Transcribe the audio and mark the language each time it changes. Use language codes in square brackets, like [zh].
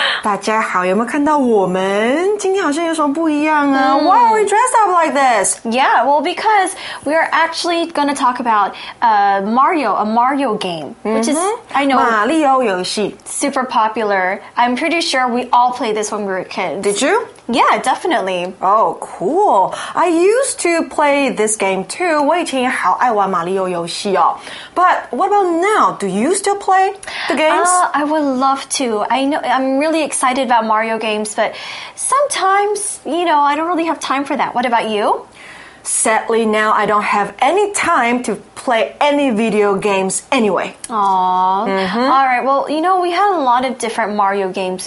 [zh] 大家好，有没有看到我们今天好像有什么不一样啊？ [en] Why are we dressed up like this? Yeah, well, because we are actually going to talk about a Mario game, which is, I know, [zh] 马里奥游戏 [en] super popular. I'm pretty sure we all played this when we were kids. Did you? Yeah, definitely. Oh, cool. I used to play this game too. [zh] 我以前也好爱玩马里奥游戏哦。 [en] But what about now? Do you still play the games? I would love to. I know, I'm really excited about Mario games, but sometimes, you know, I don't really have time for that. What about you? Sadly, now I don't have any time to play any video games anyway. All right, well, you know, we had a lot of different Mario games.